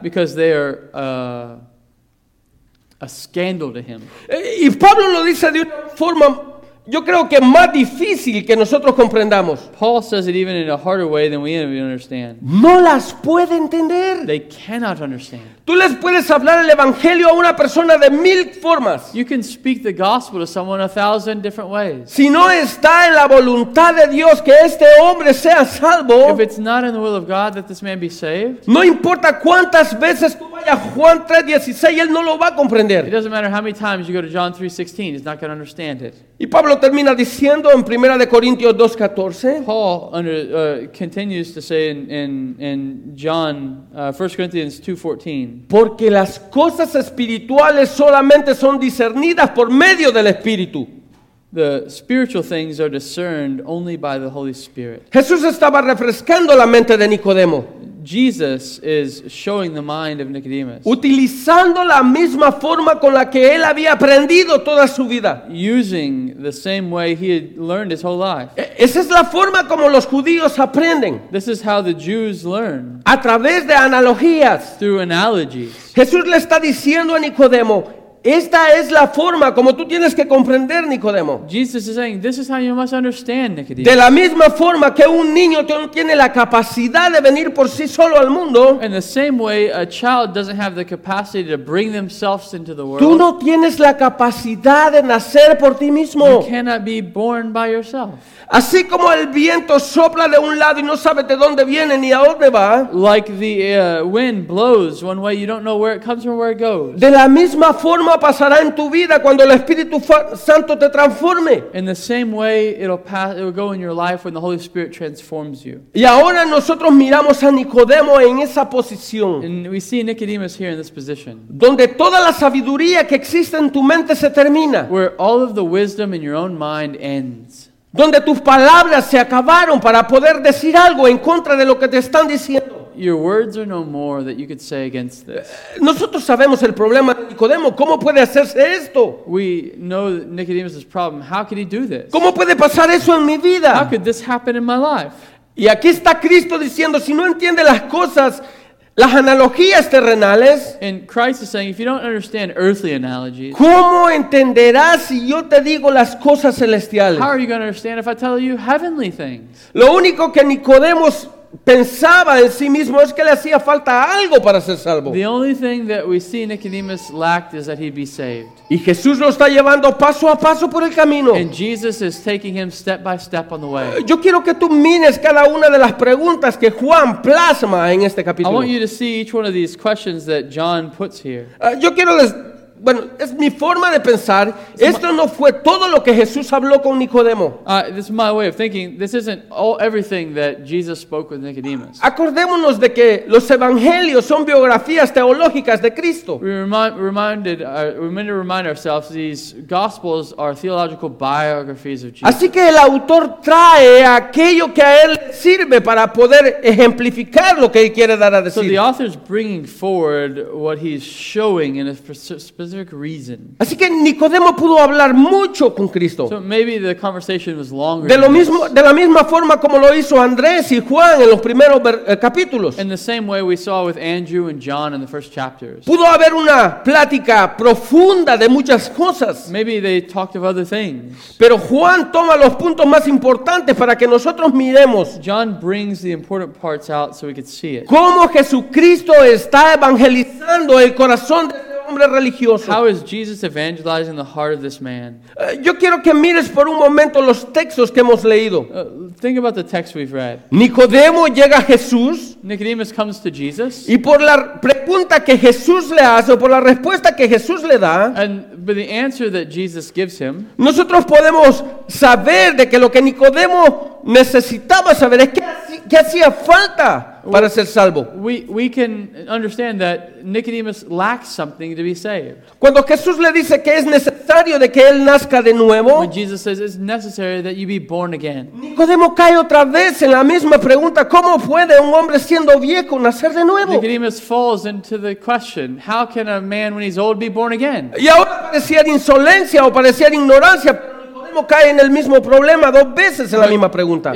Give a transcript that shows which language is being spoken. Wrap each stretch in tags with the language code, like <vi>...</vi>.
<en>Because they are a scandal to him.</en> <es>Y Pablo lo dice de una forma, yo creo que más difícil que nosotros comprendamos.</es> <en>Paul says it even in a harder way than we understand.</en> <es>No las puede entender.</es> <en>They cannot understand.</en> <es>Tú les puedes hablar el evangelio a una persona de mil formas.</es> <en>You can speak the gospel to someone a thousand different ways.</en> <es>Si no está en la voluntad de Dios que este hombre sea salvo.</es> <en>If it's not in the will of God that this man be saved.</en> <es>No importa cuántas veces tú vayas a Juan 3:16, él no lo va a comprender.</es> <en>It doesn't matter how many times you go to John 3:16, he's not going to understand it.</en> <es>Y Pablo termina diciendo en 1 de Corintios 2:14.</es> <en>Paul continues to say in John 1 Corinthians 2:14.</en> <es>Porque las cosas espirituales solamente son discernidas por medio del Espíritu.</es> <en>The spiritual things are discerned only by the Holy Spirit.</en> <es>Jesús estaba refrescando la mente de Nicodemo.</es> <en>Jesus is showing the mind of Nicodemus.</en> <es>Utilizando la misma forma con la que él había aprendido toda su vida.</es> <en>Using the same way he had learned his whole life.</en> <es>Esa es la forma como los judíos aprenden.</es> <en>This is how the Jews learn.</en> <es>A través de analogías.</es> <en>Through analogies.</en> <es>Jesús le está diciendo a Nicodemo, esta es la forma como tú tienes que comprender, Nicodemo.</es> <en>Jesus is saying, this is how you must understand, Nicodemus.</en> <es>De la misma forma que un niño no tiene la capacidad de venir por sí solo al mundo.</es> <en>In the same way, a child doesn't have the capacity to bring themselves into the world.</en> <es>Tú no tienes la capacidad de nacer por ti mismo.</es> <en>You cannot be born by yourself.</en> <es>Así como el viento sopla de un lado y no sabe de dónde viene ni a dónde va.</es> <en>Like the wind blows one way, you don't know where it comes from, where it goes.</en> <es>De la misma forma pasará en tu vida cuando el Espíritu Santo te transforme.</es> <en>In the same way, it'll go in your life when the Holy Spirit transforms you.</en> <es>Y ahora nosotros miramos a Nicodemo en esa posición.</es> <en>And we see Nicodemus here in this position.</en> <es>Donde toda la sabiduría que existe en tu mente se termina.</es> <en>Where all of the wisdom in your own mind ends.</en> <es>Donde tus palabras se acabaron para poder decir algo en contra de lo que te están diciendo.</es> <en>Your words are no more that you could say against this.</en> <es>Nosotros sabemos el problema de Nicodemo. ¿Cómo puede hacerse esto?</es> <en>We know Nicodemus' problem. How could he do this?</en> <es>¿Cómo puede pasar eso en mi vida?</es> <en>How could this happen in my life?</en> <es>Y aquí está Cristo diciendo, si no entiende las cosas, las analogías terrenales.</es> <en>And Christ is saying, if you don't understand earthly analogies,</en> <es>¿cómo entenderás si yo te digo las cosas celestiales?</es> <en>How are you going to understand if I tell you heavenly things?</en> <es>Lo único que Nicodemus pensaba en sí mismo es que le hacía falta algo para ser salvo.</es> <en>The only thing that we see Nicodemus lacked is that he'd be saved.</en> <es>Y Jesús lo está llevando paso a paso por el camino.</es> <en>And Jesus is taking him step by step on the way.</en> <es>Yo quiero que tú mires cada una de las preguntas que Juan plasma en este capítulo.</es> <en>I want you to see each one of these questions that John puts here.</en> <es>Yo quiero les bueno, es mi forma de pensar. Esto no fue todo lo que Jesús habló con Nicodemo.</es> <en>This is my way of thinking. This isn't all everything that Jesus spoke with Nicodemus.</en> <es>Acordémonos de que los evangelios son biografías teológicas de Cristo.</es> <en>We need to remind ourselves these gospels are theological biographies of Jesus.</en> <es>Así que el autor trae aquello que a él sirve para poder ejemplificar lo que él quiere dar a decir.</es> <en>So the author is bringing forward what he's showing in a specific reason.</en> <es>Así que Nicodemo pudo hablar mucho con Cristo.</es> <en>So maybe the conversation was longer.</en> <es>De lo mismo, de la misma forma como lo hizo Andrés y Juan en los primeros capítulos.</es> <en>In the same way we saw with Andrew and John in the first chapters.</en> <es>Pudo haber una plática profunda de muchas cosas.</es> <en>Maybe they talked of other things.</en> <es>Pero Juan toma los puntos más importantes para que nosotros miremos.</es> <en>John brings the important parts out so we could see it.</en> <es>Cómo Jesucristo está evangelizando el corazón de hombre religioso.</es> <en>How is Jesus evangelizing the heart of this man?</en> <es>Yo quiero que mires por un momento los textos que hemos leído.</es> <en>Think about the text we've read.</en> <es>Nicodemo llega a Jesús.</es> <en>Nicodemus comes to Jesus.</en> <es>Y por la pregunta que Jesús le hace o por la respuesta que Jesús le da.</es> <en>And by the answer that Jesus gives him.</en> <es>Nosotros podemos saber de que lo que Nicodemo necesitaba saber es qué hacía falta para ser salvo.</es> <en>We can understand that Nicodemus lacks something to be saved.</en> <es>Cuando Jesús le dice que es necesario de que él nazca de nuevo,</es> <en>when Jesus says it's necessary that you be born again,</en> <es>Nicodemo cae otra vez en la misma pregunta, ¿cómo puede un hombre siendo viejo nacer de nuevo?</es> <en>Nicodemus falls into the question, how can a man when he's old be born again?</en> <es>Y ahora parecía de insolencia o parecía de ignorancia, cae en el mismo problema dos veces en la misma pregunta.</es>